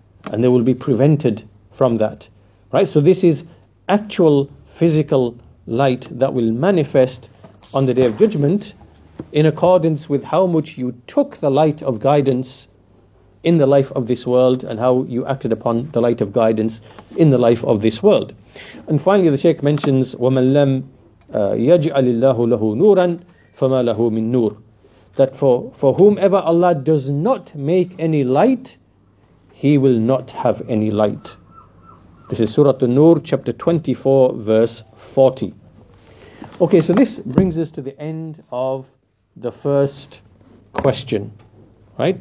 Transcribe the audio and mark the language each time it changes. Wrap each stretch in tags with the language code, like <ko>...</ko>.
<en>And they will be prevented from that. Right? So this is actual physical light that will manifest on the Day of Judgment in accordance with how much you took the light of guidance in the life of this world and how you acted upon the light of guidance in the life of this world. And finally, the Shaykh mentions,</en> <ar>وَمَنْ لَمْ يَجْعَلِ اللَّهُ لَهُ نُورًا فَمَا لَهُ مِنْ نُورٍ.</ar> <en>That for whomever Allah does not make any light, he will not have any light. This is Surah An-Nur, chapter 24, verse 40. Okay, so this brings us to the end of the first question, right?</en>